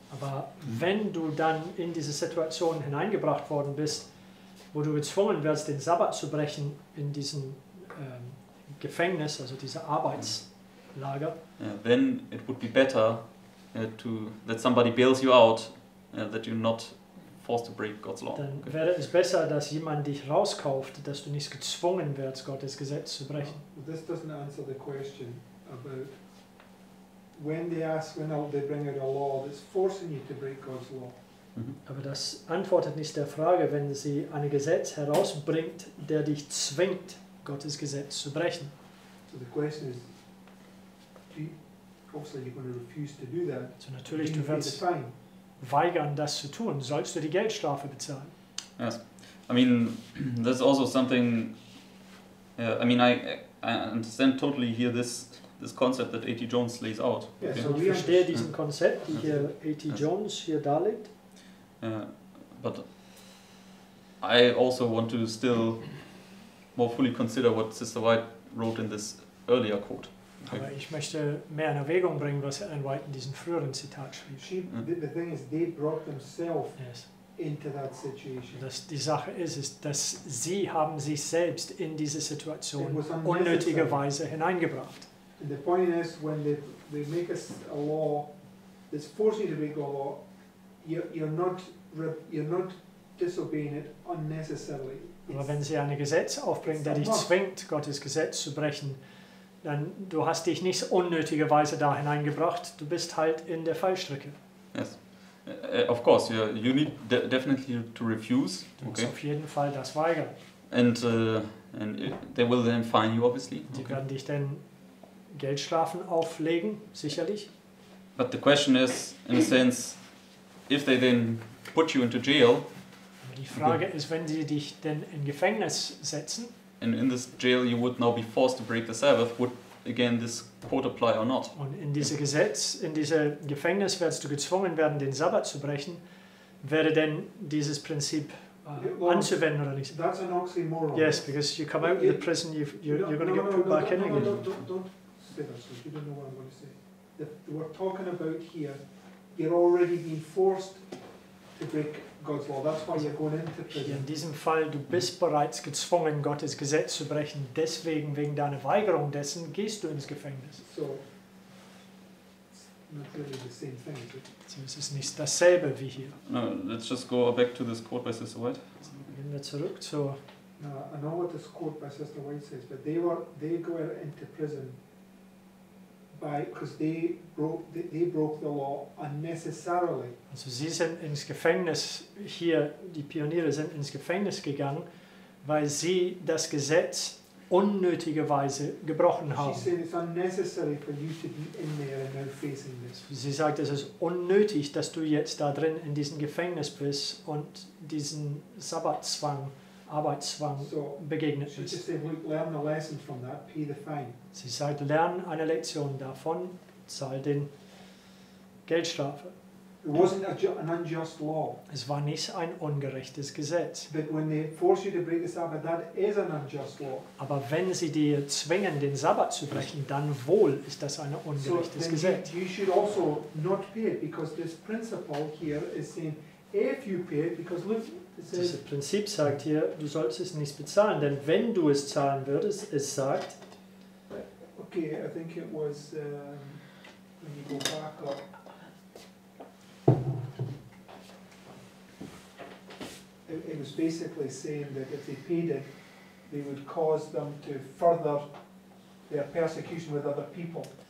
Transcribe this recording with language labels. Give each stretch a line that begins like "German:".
German: Aber wenn du dann in diese Situation hineingebracht worden bist, wo du gezwungen wirst, den Sabbat zu brechen in diesem Gefängnis, also diese Arbeitslager,
English: then it would be better that somebody bails you out, that you're not forced to break God's law.
German: Dann wäre es besser, dass jemand dich rauskauft, dass du nicht gezwungen wirst, Gottes Gesetz zu brechen.
English: This doesn't answer the question about they bring out a law that's forcing you to break God's law.
German: Aber das antwortet nicht der Frage, wenn sie ein Gesetz herausbringt, der dich zwingt, Gottes Gesetz zu brechen.
English: So the question is, obviously you're going to refuse to do that.
German: So natürlich, du wirst weigern, das zu tun. Sollst du die Geldstrafe bezahlen?
English: Yes. I mean, that's also something, I understand totally here this concept that A.T. Jones lays out. Okay?
German: Yeah, so ich verstehe diesen Konzept, die hier A.T. Jones hier darlegt.
English: But I also want to still more fully consider what Sister White wrote in this earlier quote.
German: Aber ich möchte mehr in Erwägung bringen, was Ellen White in diesem früheren Zitat schrieb.
English: The thing is, they brought themselves into that situation.
German: Das, die Sache ist, dass sie haben sich selbst in diese Situation unnötigerweise hineingebracht.
English: And the point is, when they make a law that's forcing you to break a law, you're not disobeying it unnecessarily.
German: Aber wenn sie ein Gesetz aufbringen, der dich zwingt, Gottes Gesetz zu brechen, dann du hast dich nicht unnötigerweise da hineingebracht, du bist halt in der Fallstricke.
English: Yes. Of course, you need definitely to refuse.
German: Du musst auf jeden Fall das weigern.
English: And they will then fine you, obviously.
German: Die werden dich dann Geldstrafen auflegen, sicherlich.
English: But the question is, in a sense, if they then put you into jail.
German: Aber die Frage ist, wenn sie dich denn in Gefängnis setzen.
English: And in this jail you would now be forced to break the Sabbath, would again this quote apply or not?
German: Und in diese Gesetz, in diese Gefängnis wirst du gezwungen werden, den Sabbat zu brechen, wäre denn dieses Prinzip anzuwenden oder nicht?
English: That's an oxymoron. Yes, because you come out of the prison, you're going to get put back in again. No, don't say that, so you don't know what I'm going to say. We're talking about here, you're already being forced to break God's law. That's why you're going into prison.
German: In diesem Fall, du bist bereits gezwungen, Gottes Gesetz zu brechen. Deswegen, wegen deiner Weigerung dessen, gehst du ins Gefängnis.
English: So, it's not really the same thing, is it?
German: So, es ist nicht dasselbe wie hier.
English: No, let's just go back to this quote by Sister White.
German: So, gehen wir zurück zu...
English: No, I know what this quote by Sister White says, but they go into prison because they broke the law unnecessarily.
German: Also sie sind ins Gefängnis hier, die Pioniere sind ins Gefängnis gegangen, weil sie das Gesetz unnötigerweise gebrochen haben.
English: She said it's unnecessary for you to be in there and now facing this.
German: Sie sagt, es ist unnötig, dass du jetzt da drin in diesem Gefängnis bist und diesen Sabbatzwang, Arbeitszwang begegnet ist. Sie sagt, lern eine Lektion davon, zahl den Geldstrafe.
English: It wasn't an unjust law.
German: Es war nicht ein ungerechtes Gesetz.
English: But when they force you to break the Sabbath, that is an unjust law.
German: Aber wenn sie dir zwingen, den Sabbat zu brechen, dann wohl ist das ein ungerechtes Gesetz.
English: You should also not pay it, because this principle here is saying, if you pay it, because look,
German: das Prinzip sagt hier, du sollst es nicht bezahlen, denn wenn du es zahlen würdest, es sagt.
English: Okay, I think it was when you go back up. It was basically saying that if they paid it, they would cause them to further their persecution with other people.